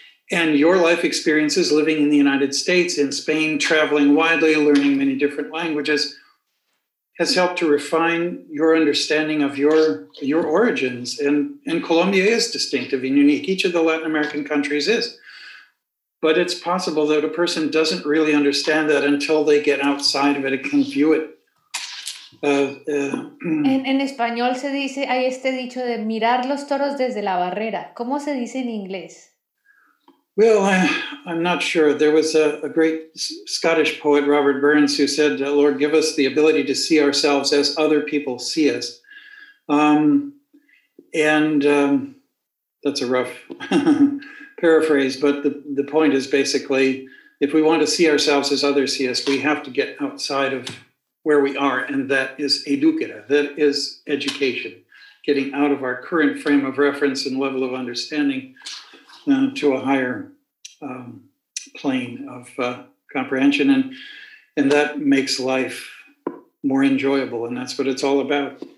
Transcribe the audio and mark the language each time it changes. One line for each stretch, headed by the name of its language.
English: And your life experiences living in the United States, in Spain, traveling widely, learning many different languages, has helped to refine your understanding of your origins. And Colombia is distinctive and unique. Each of the Latin American countries is. But it's possible that a person doesn't really understand that until they get outside of it and can view it
Spanish: En español se dice, hay este dicho de mirar los toros desde la barrera. ¿Cómo se dice en inglés?
English: Well, I'm not sure. There was a great Scottish poet, Robert Burns, who said, Lord, give us the ability to see ourselves as other people see us. That's a rough paraphrase, but the point is basically, if we want to see ourselves as others see us, we have to get outside of where we are, and that is educare, that is education, getting out of our current frame of reference and level of understanding to a higher plane of comprehension, and that makes life more enjoyable, and that's what it's all about.